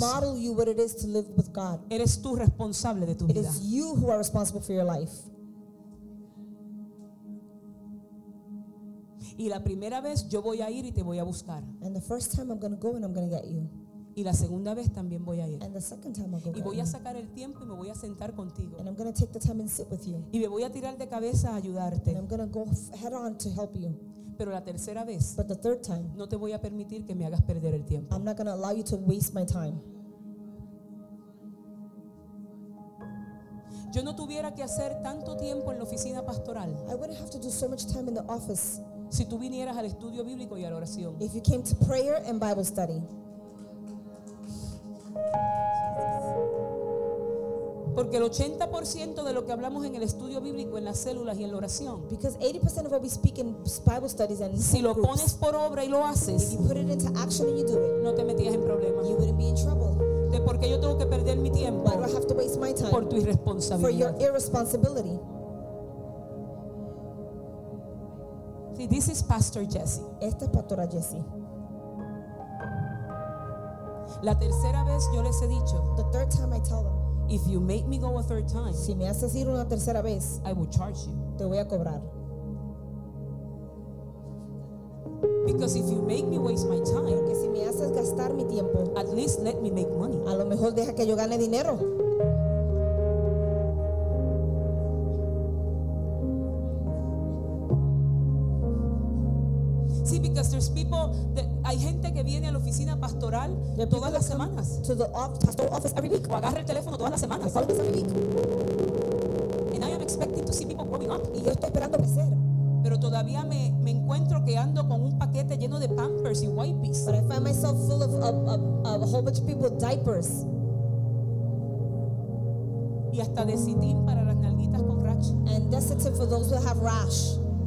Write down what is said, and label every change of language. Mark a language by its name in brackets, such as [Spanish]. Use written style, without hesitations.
[English] Model you what it is to live with God. [Spanish] Eres tú responsable de tu [English] it [Spanish] vida. [English] Is you who are responsible for your life. [Spanish] Y la primera vez yo voy a ir y te voy a buscar. [English] And the first time I'm going to go and I'm going to get you. [Spanish] Y la segunda vez también voy a ir. [English] And the second time I'll go. [Spanish] Y voy a sacar el tiempo y me voy a sentar contigo. [English] And I'm going to take the time and sit with you. [Spanish] Y me voy a tirar de cabeza a ayudarte. [English] And I'm going to go head on to help you. [Spanish] Pero la tercera vez. [English] But the third time. [Spanish] No te voy a permitir que me hagas perder el tiempo. [English] I'm not going to allow you to waste my time. [Spanish] Yo no tuviera que hacer tanto tiempo en la oficina pastoral. [English] I wouldn't have to do so much time in the office. [Spanish] Si tú vinieras al estudio bíblico y a la oración. [English] If you came to prayer and Bible study. [Spanish] Porque el 80% de lo que hablamos en el estudio bíblico, en las células y en la oración. [English] Because 80% of what we speak in Bible studies and [Spanish] si lo [English] groups, [Spanish] pones por obra y lo haces. [English] If you put it into action and you do it. [Spanish] No te metías en problemas. [English] You wouldn't be in trouble. [Spanish] ¿De por qué yo tengo que perder mi tiempo? [English] Why do I have to waste my time? [Spanish] Por tu irresponsabilidad. [English] For your irresponsibility. See, this is Pastor Jesse. [Spanish] Esta es Pastora Jesse. La tercera vez yo les he dicho. [English] The third time I tell them. If you make me go a third time. [Spanish] Si me haces ir una tercera vez. [English] I will charge you. [Spanish] Te voy a cobrar. [English] Because if you make me waste my time. [Spanish] Porque si me haces gastar mi tiempo. [English] At least let me make money. [Spanish] A lo mejor deja que yo gane dinero. [English] There's people that, [Spanish] hay gente que viene a la oficina pastoral todas las semanas. [English] To the pastoral office every week. [Spanish] O agarra el teléfono todas las semanas. [English] Call every week. And I am expecting to see people growing up. [Spanish] Y yo estoy esperando crecer. Pero todavía me encuentro que ando con un paquete lleno de Pampers y wipes. [English] But I find myself full of a whole bunch of people with diapers. [Spanish] Y hasta decidir para las nalguitas con rash. [English] And that's it for those who have rash.